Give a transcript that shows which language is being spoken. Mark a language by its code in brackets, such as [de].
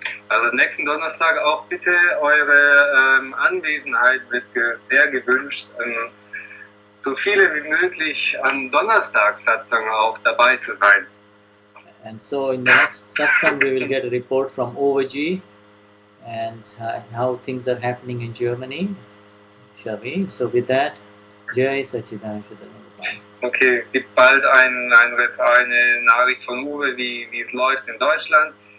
[de] Also nächsten Donnerstag auch bitte eure Anwesenheit wird sehr gewünscht. So viele wie möglich am Donnerstag Satsang auch dabei zu sein. [en] And so in the next Satsang we will get a report from OVG and how things are happening in Germany, shall we? So with that, Jai Satchidananda Shuddhananda. [de] Okay, gibt bald eine Nachricht von Uwe, wie es läuft in Deutschland.